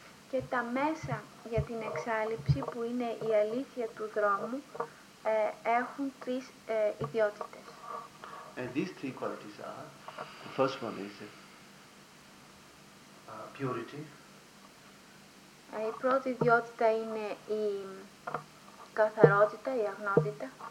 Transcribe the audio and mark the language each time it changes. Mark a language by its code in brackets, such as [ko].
[el] Και τα μέσα για την εξάλληψη που είναι η αλήθεια του δρόμου έχουν τρεις ιδιότητες. [en] And these three qualities are, the first one is purity. [el] Η πρώτη ιδιότητα είναι η καθαρότητα, η αγνότητα.